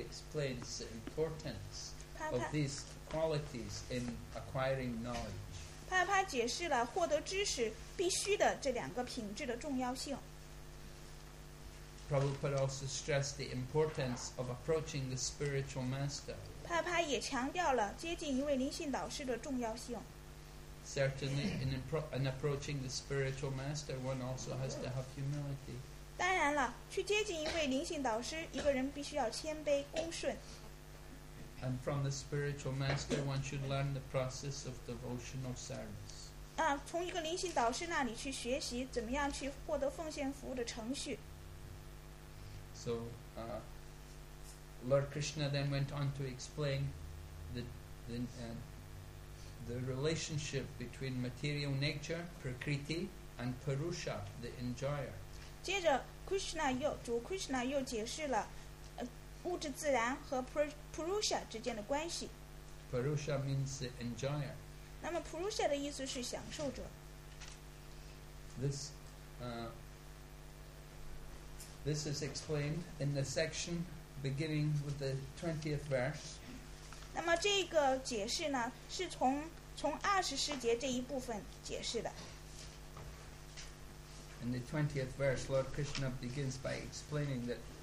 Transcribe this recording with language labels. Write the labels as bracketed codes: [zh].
[en] explains the importance of these qualities in acquiring knowledge. [zh] 他解释了获得知识必须的这两个品质的重要性。 [en] Prabhupada also stressed the importance of approaching the spiritual master. [zh] 帕帕也强调了接近一位灵性导师的重要性。 [en] Certainly, in approaching the spiritual master, one also has to have humility. [zh] 当然了，去接近一位灵性导师，一个人必须要谦卑恭顺。 [en] And from the spiritual master, one should learn the process of devotional service. [zh] 从一个灵性导师那里去学习怎么样去获得奉献服务的程序。 [en] So, Lord Krishna then went on to explain the relationship between material nature, prakriti, and purusha, the enjoyer. [zh] 接着 ，Krishna 又主 Krishna 又解释了。物质自然和 Purusha 之间的关系。 [en] Purusha means the enjoyer. [zh] 那么 Purusha 的意思是享受者。 [en] This is explained in the section beginning with the 20th verse. [zh] 那么这个解释呢，是从二十世节这一部分解释的。 [en] In the 20th verse, Lord Krishna begins by explaining that.